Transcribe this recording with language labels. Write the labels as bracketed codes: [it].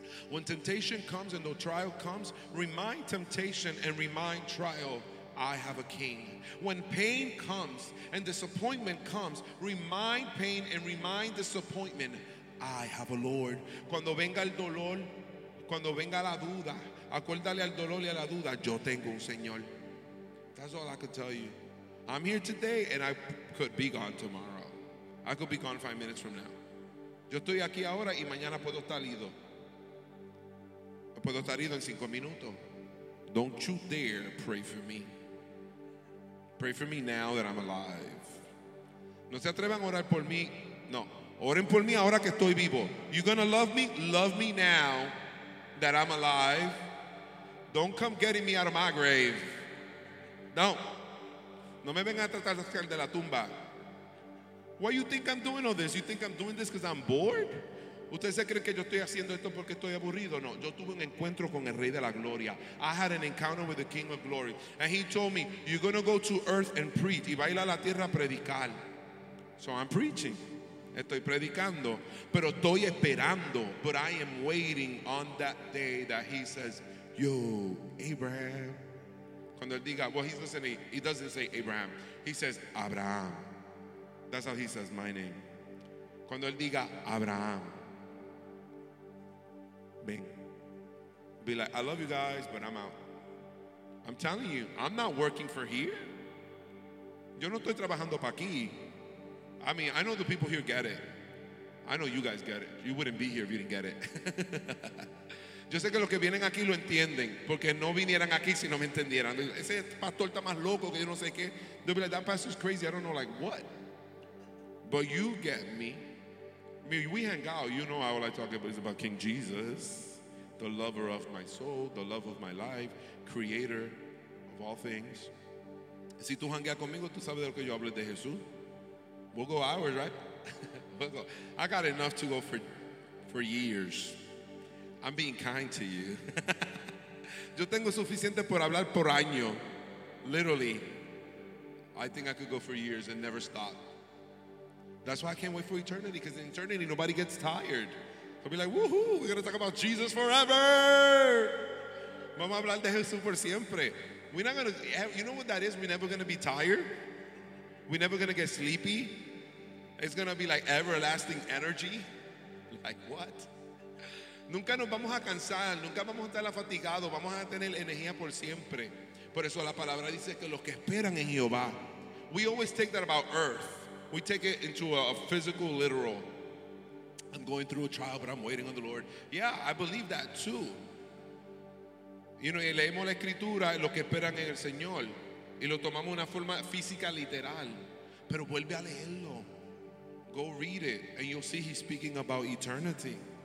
[en] When temptation comes and the trial comes, remind temptation and remind trial, I have a king. When pain comes and disappointment comes, remind pain and remind disappointment, I have a Lord. [es] Cuando venga el dolor, cuando venga la duda, acuérdale al dolor y a la duda, yo tengo un Señor. [en] That's all I could tell you. I'm here today and I could be gone tomorrow. I could be gone 5 minutes from now. [es] Yo estoy aquí ahora y mañana puedo estar ido. Puedo estar ido en 5 minutos. [en] Don't you dare pray for me. Pray for me now that I'm alive. [es] No se atrevan a orar por mí. No, oren por mí ahora que estoy vivo. [en] You're gonna love me? Love me now that I'm alive. Don't come getting me out of my grave. [es] No, no me vengan a tratar de sacar de la tumba. [en] Why you think I'm doing all this? You think I'm doing this because I'm bored? [es] ¿Ustedes se creen que yo estoy haciendo esto porque estoy aburrido? No, yo tuve un encuentro con el Rey de la Gloria. [en] I had an encounter with the King of Glory. And he told me, you're going to go to earth and preach. [es] Y va a ir a la tierra a predicar. [en] So I'm preaching. [es] Estoy predicando. Pero estoy esperando. [en] But I am waiting on that day that he says, yo, Abraham. [es] Cuando él diga, [en] well, he's listening. He doesn't say Abraham. He says, Abraham. That's how he says my name. [es] Cuando él diga, [en] Abraham. Bing. Be like, I love you guys, but I'm out. I'm telling you, I'm not working for here. [es] Yo no estoy trabajando pa' aquí. [en] I mean, I know the people here get it. I know you guys get it. You wouldn't be here if you didn't get it. [es] Yo sé que los que vienen aquí lo entienden, porque no vinieran aquí si no me entendieran. Ese pastor está más loco que yo no sé qué. [en] They'll be like, that pastor's crazy. I don't know, like, what? But you get me. I mean, we hang out, you know, all I talk about is about King Jesus, the lover of my soul, the love of my life, creator of all things. [es] Si tú hangueas conmigo, tú sabes de lo que yo hablo de Jesús. [en] We'll go hours, right? We'll go. I got enough to go for years. I'm being kind to you. [es] Yo tengo suficiente por hablar por año. [en] Literally, I think I could go for years and never stop. That's why I can't wait for eternity, because in eternity nobody gets tired. I'll be like, woohoo, we're going to talk about Jesus forever. [es] Vamos a hablar de Jesús por siempre. [en] We're not going to, you know what that is? We're never going to be tired. We're never going to get sleepy. It's going to be like everlasting energy. Like what? [es] Nunca nos vamos a cansar. Nunca vamos a estar fatigados. Vamos a tener energía por siempre. Por eso la palabra dice que los que esperan en Jehová. [en] We always take that about earth. We take it into a physical, literal. I'm going through a trial, but I'm waiting on the Lord. Yeah, I believe that too. You know, [es] y leemos la escritura, los que esperan en el Señor. Y lo tomamos de una forma física literal. Pero vuelve a leerlo. [en] Go read it. And you'll see he's speaking about eternity.